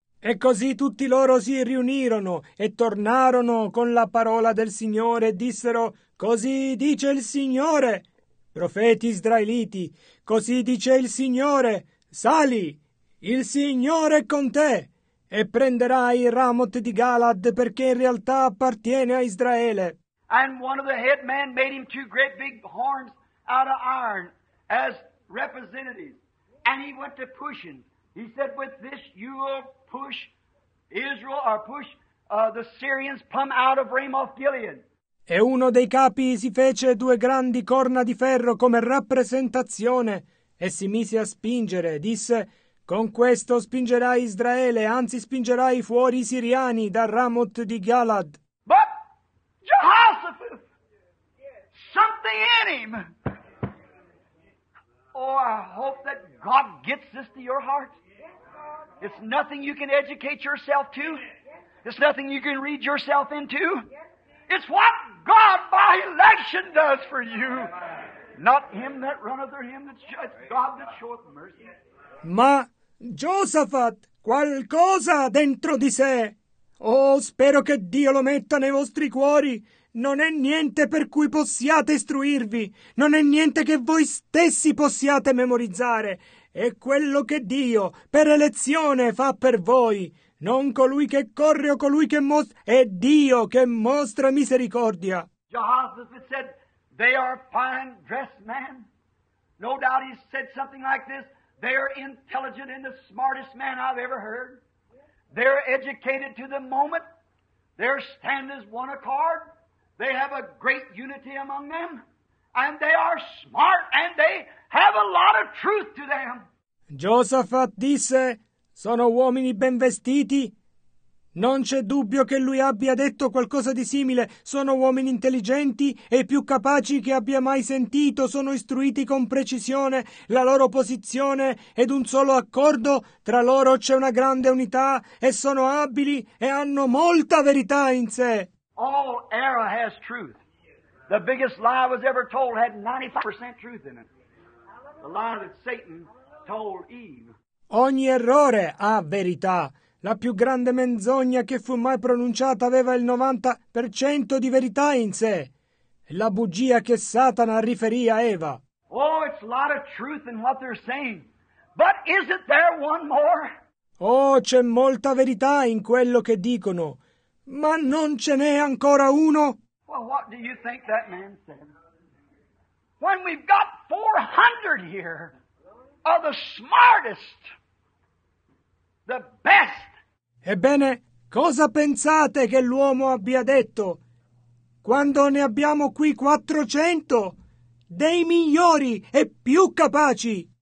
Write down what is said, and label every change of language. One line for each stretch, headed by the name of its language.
Italian: E così tutti loro si riunirono e tornarono con la parola del Signore e dissero, così dice il Signore, profeti israeliti, così dice il Signore, sali, il Signore è con te, e prenderai Ramoth di Galaad perché in realtà appartiene a Israele.
English: And one of the head men made him two great big horns out of iron as representatives. And he went to pushing. He said, with this you will push Israel or push the Syrians come out of Ramoth Gilead.
Italian: E uno dei capi si fece due grandi corna di ferro come rappresentazione e si mise a spingere. Disse: con questo spingerai Israele, anzi spingerai fuori i siriani dal Ramoth di Galad.
English: But Jehoshaphat, something in him. Oh, I hope that God gets this to your heart. It's nothing you can educate yourself to. It's nothing you can read yourself into. It's what God by election does for you. Not him that runneth or him that judges. God that showeth mercy.
Italian: Ma Josaphat, qualcosa dentro di sé. Oh, spero che Dio lo metta nei vostri cuori. Non è niente per cui possiate istruirvi. Non è niente che voi stessi possiate memorizzare. È quello che Dio, per elezione, fa per voi. Non colui che corre o colui che mostra. È Dio che mostra misericordia.
English: Jehoshaphat said, they are fine dressed men. No doubt he said something like this. They are intelligent and the smartest man I've ever heard. They're educated to the moment. Their stand is one accord. They have a great unity among them. And they are smart and they have a lot of truth to them.
Italian: Josaphat disse, sono uomini ben vestiti. Non c'è dubbio che lui abbia detto qualcosa di simile. Sono uomini intelligenti e più capaci che abbia mai sentito. Sono istruiti con precisione. La loro posizione ed un solo accordo. Tra loro c'è una grande unità e sono abili e hanno molta verità in sé.
English: All era has truth. The biggest lie was ever told had 95% truth in it. The lie that Satan told Eve.
Italian: Ogni errore ha verità. La più grande menzogna che fu mai pronunciata aveva il 90% di verità in sé. La bugia che Satana riferì a Eva.
English: Oh, it's a lot of truth in what they're saying. But isn't there one more?
Italian: Oh, c'è molta verità in quello che dicono. Ma non ce n'è ancora uno?
English: Well, what do you think that man said? When we've got 400 here of the smartest, the best.
Italian: Ebbene, cosa pensate che l'uomo abbia detto? Quando ne abbiamo qui 400 dei migliori e più capaci.